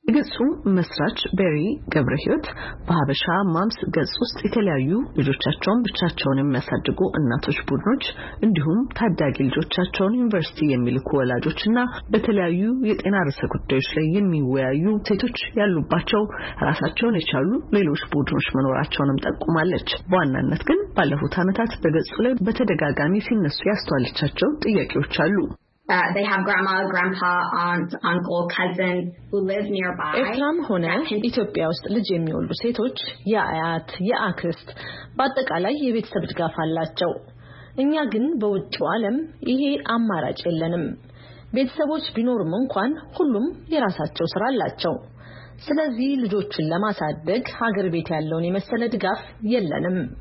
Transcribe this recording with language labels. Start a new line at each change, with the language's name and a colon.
Amharic: ግጹ መስራች በሪ ገብረህይወት በሀበሻ ማምስ ገጽ ውስጥ የተለያዩ ልጆቻቸውን ብቻቸውን የሚያሳድጉ እናቶች ቡድኖች እንዲሁም ታዳጊ ልጆቻቸውን ዩኒቨርሲቲ የሚልኩ ወላጆች እና በተለያዩ የጤና ርዕሰ ጉዳዮች ላይ የሚወያዩ ሴቶች ያሉባቸው ራሳቸውን የቻሉ ሌሎች ቡድኖች መኖራቸውንም ጠቁማለች። በዋናነት ግን ባለፉት ዓመታት በገጹ ላይ በተደጋጋሚ ሲነሱ ያስተዋለቻቸው ጥያቄዎች አሉ።
English: They have grandma, grandpa, aunt, uncle, cousin who live nearby.
Amharic: ኤትራም ሆነ ኢትዮጵያ ውስጥ ልጅ የሚወልዱ ሴቶች የአያት የአክስት በአጠቃላይ የቤተሰብ ድጋፍ አላቸው። እኛ ግን በውጭ ዓለም ይሄ አማራጭ የለንም። ቤተሰቦች ቢኖርም እንኳን ሁሉም የራሳቸው ስራ አላቸው። ስለዚህ ልጆችን ለማሳደግ ሀገር ቤት ያለውን የመሰለ ድጋፍ የለንም።